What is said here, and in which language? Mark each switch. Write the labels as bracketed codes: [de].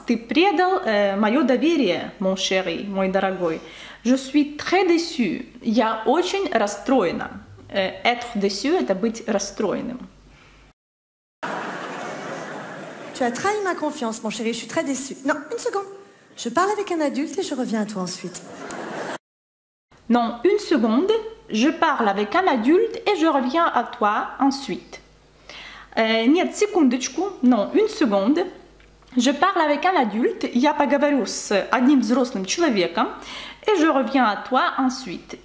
[ru] Ты предал мое доверие, [fr] mon chéri, [ru] мой дорогой. [fr] Je suis très déçu. [ru] Я очень расстроена. Être déçu – это быть расстроенным. [fr] Tu as trahi ma confiance, mon chéri. Je suis très déçu. Non, une seconde. Je parle avec un adulte et je reviens à toi ensuite. Non, une seconde. Je parle avec un adulte et je reviens à toi ensuite. [ru] Нет, секундочку. [fr] Non, une seconde. Je parle avec un adulte. [ru] Я поговорю с одним взрослым человеком. [fr] Et je reviens à toi ensuite.